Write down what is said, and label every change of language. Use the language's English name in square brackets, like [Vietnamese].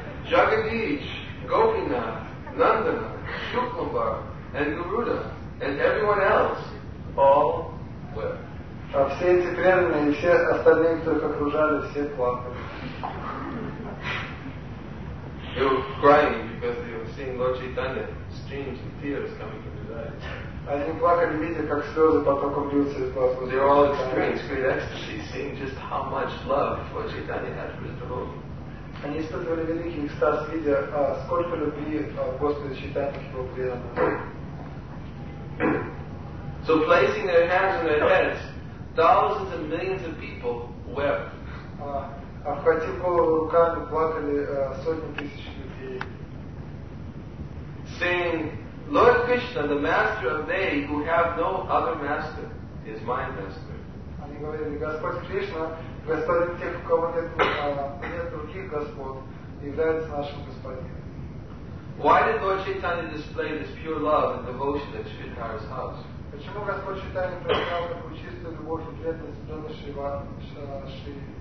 [English] Jagadish, Gopinath, Nandana, Shukumbhar, and Garuda, and everyone else, all were. They were crying because they were seeing Lord Chaitanya streams of tears coming from his eyes. [Russian] Они плакали, видя, как слезы потоком льются из глаз. [English] They were all experiencing great ecstasy, seeing just how much love Lord Chaitanya had for his devotee. [Russian] Они испытывали великий экстаз, видя, сколько любви Господа Чайтанья к его преданному. [English] So placing their hands on their heads, thousands and millions of people wept. [Russian] Обхватив голову руками, плакали сотни тысяч людей. [English] Saying, Lord Krishna, the master of they who have no other master, is my master. [Russian] Они говорили, Господь Кришна, Господин тех, у кого нет других Господ, является нашим Господином. [English] Why did Lord Chaitanya display this pure love and devotion at Sridhara's house? [Russian] Почему Господь Чайтанья проявлял такую чистую любовь и преданность в доме Шри?